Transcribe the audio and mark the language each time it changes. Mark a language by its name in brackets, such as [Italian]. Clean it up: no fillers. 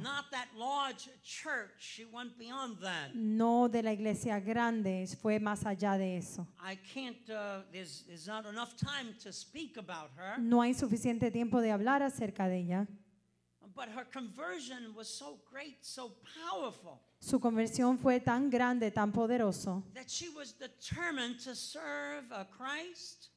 [English] Not that large church, she went beyond that. [Spanish] No de la iglesia grande, fue más allá de eso. [English] I can't, there's not enough time to speak about her. [Spanish] No hay suficiente tiempo de hablar acerca de ella. [English] But her conversion was so great, so powerful. [Spanish] Su conversión fue tan grande, tan poderoso. [English] That she was determined to serve a Christ.